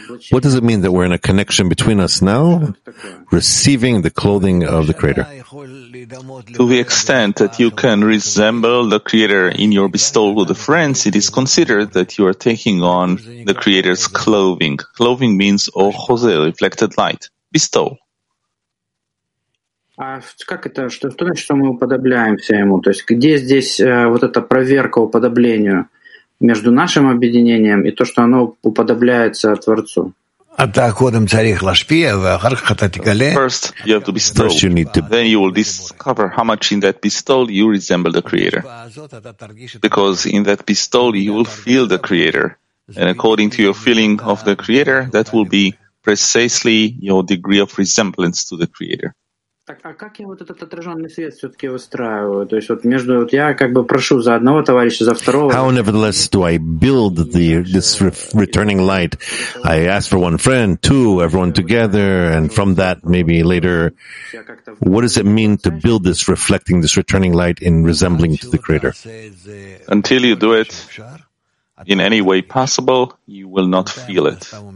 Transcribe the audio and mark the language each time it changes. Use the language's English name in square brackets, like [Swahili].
[English] What does it mean that we're in a connection between us now, receiving the clothing of the Creator? To the extent that you can resemble the Creator in your bestowal with the friends, it is considered that you are taking on the Creator's clothing. Clothing means ochoze, reflected light, bestowal. [Russian] Как это, что значит, что мы уподобляемся ему? То есть где здесь вот эта проверка уподоблению? Между нашим объединением и то, что оно уподобляется Творцу. [English] First, you have to bestow. First you need to. Then you will discover how much in that bestowal you resemble the Creator. Because in that bestowal you will feel the Creator. And according to your feeling of the Creator, that will be precisely your degree of resemblance to the Creator. [Russian] А как я вот этот отраженный свет все-таки выстраиваю? То есть вот между вот я как бы прошу за одного товарища, за второго. [English] How nevertheless do I build this returning light? I ask for one friend, two, everyone together, and from that maybe later. What does it mean to build this reflecting, this returning light in resembling to the Creator? Until you do it in any way possible, you will not feel it.